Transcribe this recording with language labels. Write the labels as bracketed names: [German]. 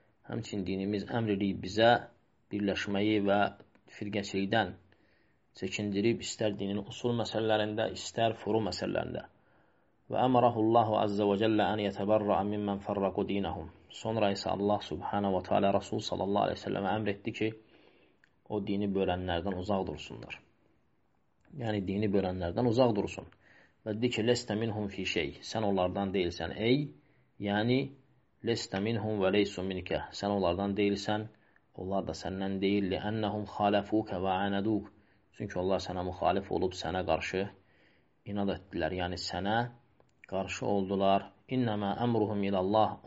[Azerbaijani] Həmçin dinimiz əmr edib bizə birləşməyi və firqəçilikdən çəkindirib, istər dinin usul məsələlərində, istər furu məsələlərində. [Arabic] وَأَمَرَهُ اللَّهُ عَزَّ وَجَلَّ أَنْ يَتَبَرَّعَ مِمَّنْ فَرَّقُوا دِينَهُمْ. [Azerbaijani] Sonra isə Allah subhanahu wa ta'ala Rasul sallallahu aleyhi ve sellem'e əmr etdi ki, o dini bölənlərdən uzaq dursunlar. Yəni dini bölənlərdən uzaq dursun. Və dedi ki, [Arabic] لَسْتَ مِنْهُمْ فِي شَيْءٍ. [Azerbaijani] Sən onlardan deyilsən, ey, yəni [Arabic] لَسْتَ مِنْهُمْ وَلَيْسُ مِنْكَ. [Azerbaijani] Sən onlardan deyilsən, onlar da səndən deyil. [Arabic] لِأَنَّهُمْ خَالَفُوكَ وَعَانَدُوكَ. [Azerbaijani] Çünki onlar sənə müxalif olub, sənə qarşı inad etdilər. Yəni sənə qarşı oldular. [Arabic] İnnamə əmruhum ilallah.